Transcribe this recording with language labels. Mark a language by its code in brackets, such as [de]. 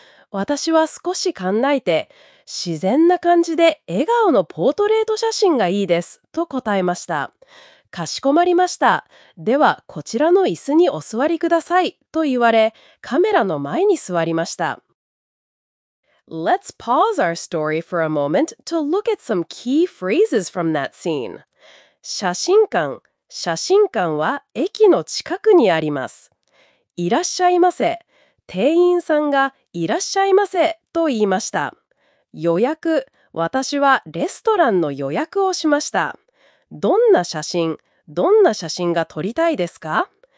[ja] 私は少し考えて、自然な感じで笑顔のポートレート写真がいいです、と答えました。かしこまりました。では、こちらの椅子にお座りください、と言われ、カメラの前に座りました。 [en] Let's pause our story for a moment to look at some key phrases from that scene. [ja] 写真館、写真館は駅の近くにあります。いらっしゃいませ。店員さんがいらっしゃいませと言いました。予約、私はレストランの予約をしました。どんな写真が撮りたいですか？